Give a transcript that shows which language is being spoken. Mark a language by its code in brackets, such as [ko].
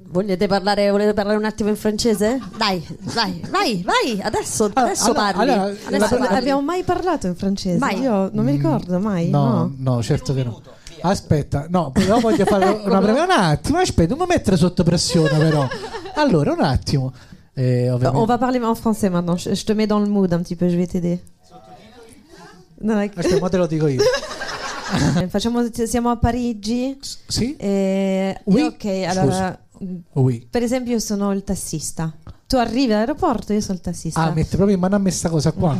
[it] Volete parlare un attimo in francese? Dai, vai, vai, vai, adesso parli. Adesso abbiamo mai parlato in francese? Mai. Io non mi ricordo mai. No, certo che no. Aspetta, no, però voglio fare una breve... Un attimo, aspetta, non mi mettere sotto pressione però. Allora, un attimo. [fr] On va parler en français maintenant. Je te mets dans le mood un petit peu, je vais t'aider. [it] No, aspetta, ma te lo dico io. Siamo a Parigi. Sì. [fr] Oui. Ok, allora. Oui. [it] Per esempio, io sono il tassista. Tu arrivi all'aeroporto, io sono il tassista. Ah, metti proprio in mano a me sta cosa qua.